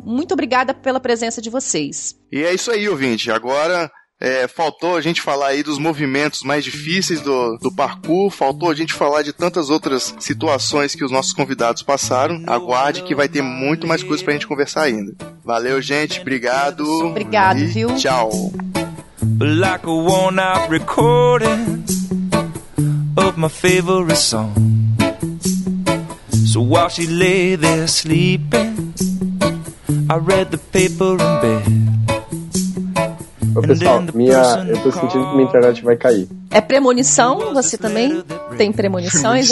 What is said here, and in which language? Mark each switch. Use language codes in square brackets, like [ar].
[pt] Muito obrigada pela presença de vocês. E é isso aí, ouvinte. Agora... faltou a gente falar aí dos movimentos mais difíceis do parkour, faltou a gente falar de tantas outras situações que os nossos convidados passaram. Aguarde que vai ter muito mais coisa pra gente conversar ainda. Valeu, gente, obrigado. Obrigado, e viu? Tchau. [en] Like a worn-out recording of my favorite song. So while she lay there sleeping, I read the paper in bed. [pt] Ô, pessoal, eu tô sentindo que minha internet vai cair. É premonição? Você também tem premonições?